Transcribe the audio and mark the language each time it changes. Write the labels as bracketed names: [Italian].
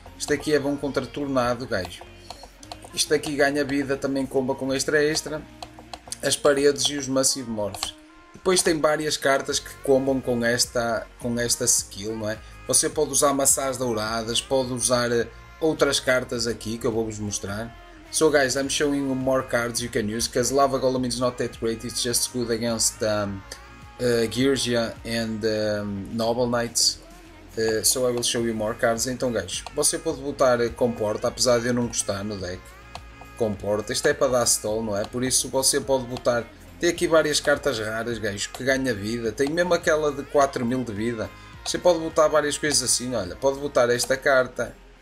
[Portuguese] Isto aqui é bom contra Tornado, gajo. Isto aqui ganha vida, também comba com extra extra. As paredes e os Massive Morphs. Depois tem várias cartas que combam com esta skill, não é? Você pode usar Massas Douradas, pode usar outras cartas aqui que eu vou-vos mostrar. [English] So guys, I'm showing you more cards you can use, because Lava Golem is not that great, it's just good against Girgia and Noble Knights. So I will show you more cards. [Portuguese] Então, gajo, você pode botar Comporta, apesar de eu não gostar no deck. Comporta, isto é para dar stall, não é? Por isso você pode botar. Tem aqui várias cartas raras, gajo, que ganha vida. Tem mesmo aquela de 4000 de vida. Você pode botar várias coisas assim, olha. Pode botar esta carta.